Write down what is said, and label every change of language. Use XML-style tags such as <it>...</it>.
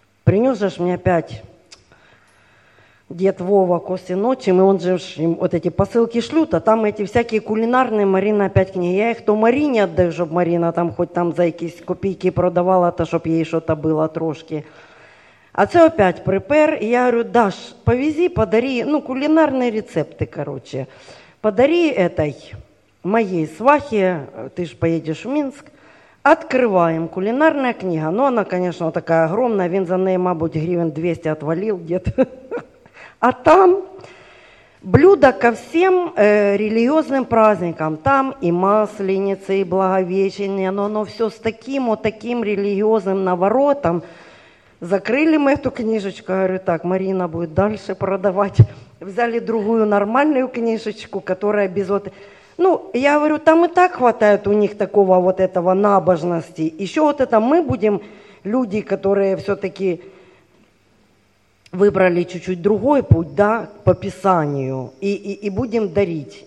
<ru>принес же мне опять дед Вова кости ночи, и он же им вот эти посылки шлют, а там эти всякие кулинарные, Марина опять к ней. Я их то Марине отдаю, чтобы Марина там хоть там за какие-то копейки продавала, то чтобы ей что-то было,</ru> <uk>трошки. А це опять припер, і я говорю, Даш, повези, подари, ну, кулінарні рецепти, короче,</uk> <ru>подари этой</ru> <uk>моїй свахі, ти ж поїдеш в Мінськ, відкриваємо, кулінарна книга, ну, вона, звісно, така огромна, він за неї, мабуть, гривень 200</uk> <ru>отвалив где-то.</ru> <uk>А там блюда ко всім релігіозним праздникам, там і Масленице, і Благовещення, ну, воно все з таким, отаким релігіозним наворотом.</uk> <ru>Закрили мы эту книжечку, говорю, так, Марина будет дальше продавать. Взяли другую нормальную книжечку, которая без вот... Ну, я говорю, там и так хватает у них такого вот этого набожности. Еще вот это мы будем, люди, которые все-таки выбрали чуть-чуть другой путь, да, по Писанию, и будем дарить.</ru>